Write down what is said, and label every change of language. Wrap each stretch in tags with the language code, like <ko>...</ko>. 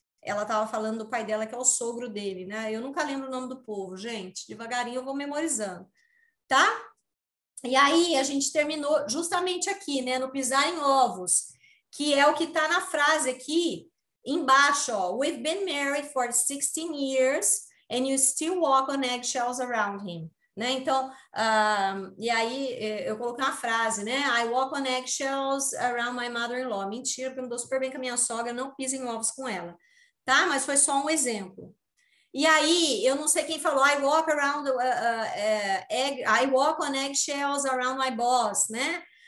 <pt>Ela estava falando do pai dela, que é o sogro dele, né? Eu nunca lembro o nome do povo, gente. Devagarinho eu vou memorizando, tá? E aí a gente terminou justamente aqui, né, no pisar em ovos, que é o que está na frase aqui embaixo, ó.</pt> <en>We've been married for 16 years and you still walk on eggshells around him.</en> <pt>Né? Então, e aí eu coloquei uma frase, né?</pt> <en>I walk on eggshells around my mother-in-law.</en> <pt>Mentira, porque eu me dou super bem com a minha sogra, não piso em ovos com ela. Tá? Mas foi só um exemplo. E aí, eu não sei quem falou,</pt> <en>I walk around, I walk on eggshells around my boss,</en> <pt>né?</pt>